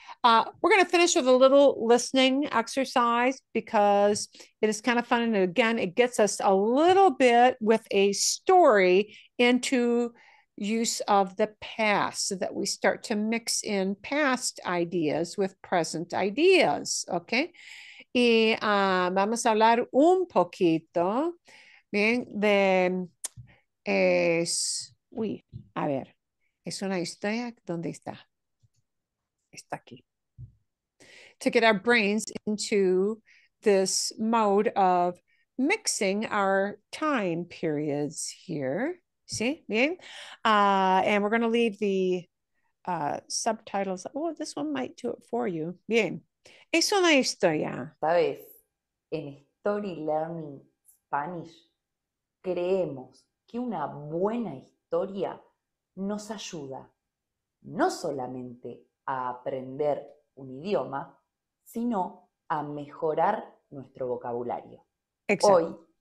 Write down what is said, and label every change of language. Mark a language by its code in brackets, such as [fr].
[en] We're going to finish with a little listening exercise because it is kind of fun. And again, it gets us a little bit with a story into use of the past so that we start to mix in past ideas with present ideas. Okay. [es] Y vamos a hablar un poquito bien de es, uy, a ver, es una historia, ¿dónde está? Está aquí. [en] To get our brains into this mode of mixing our time periods here. See, bien. And we're going to leave the subtitles. Oh, this one might do it for you. [es] Bien. Es una historia. Sabes, en Story Learning Spanish, creemos que una buena historia nos ayuda no solamente a aprender un idioma, sino a mejorar nuestro vocabulario. Exacto.